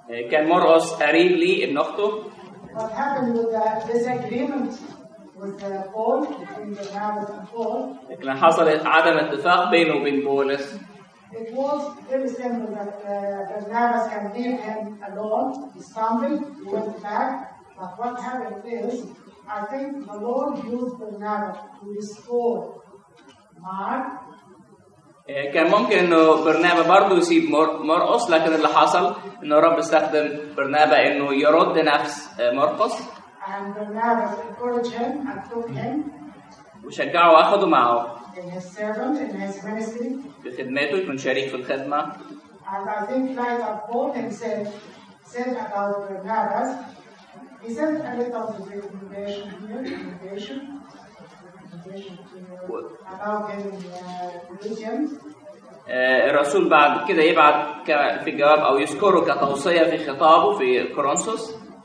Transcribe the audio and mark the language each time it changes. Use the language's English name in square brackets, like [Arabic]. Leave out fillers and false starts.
[Arabic] كان مرقس قريب لي ابن اخته. [English] What happened with the disagreement with Paul between Barnabas and Paul? [Arabic] حصل عدم اتفاق بينه وبين بولس. [English] It was very simple that Barnabas can leave him alone. He stumbled, he went back. But what happened is, I think the Lord used Barnabas to restore Mark. [Arabic] كان ممكن إنه برنابا برضو يسيب مرقس، لكن اللي حصل إنه رب استخدم برنابا إنه يرد نفس مرقس. [English] And Barnabas encouraged him and took him. [Arabic] وشجعه وأخده معه. [English] In his servant, in his ministry. [Arabic] بخدمته يكون شريك في الخدمة. [English] And I think later Paul himself said about Barnabas, he said a little bit of the invitation here, [Arabic] الرسول بعد كده يبعث في الجواب أو يذكره كتوصية في خطابه في كورنثوس.